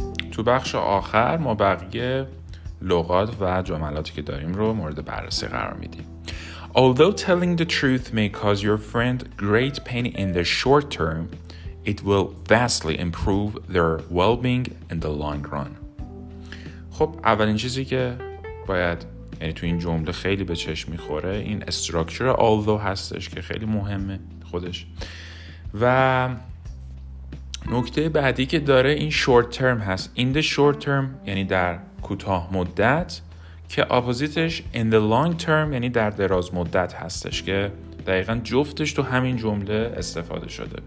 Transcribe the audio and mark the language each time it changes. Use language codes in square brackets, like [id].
[fa] تو بخش آخر ما بقیه لغات و جملاتی که داریم رو مورد بررسی قرار میدیم. [en] Although telling the truth may cause your friend great pain in the short term, it will vastly improve their well-being in the long run. [fa] خب اولین چیزی که باید، یعنی تو این جمله خیلی به چشم میخوره، این استراکچر although هستش که خیلی مهمه خودش. و نکته بعدی که داره این short term هست. [en] In the short term [fa] یعنی در کوتاه مدت، که اپوزیتش [en] in the long term [fa] یعنی در دراز مدت هستش، که دقیقا جفتش تو همین جمله استفاده شده.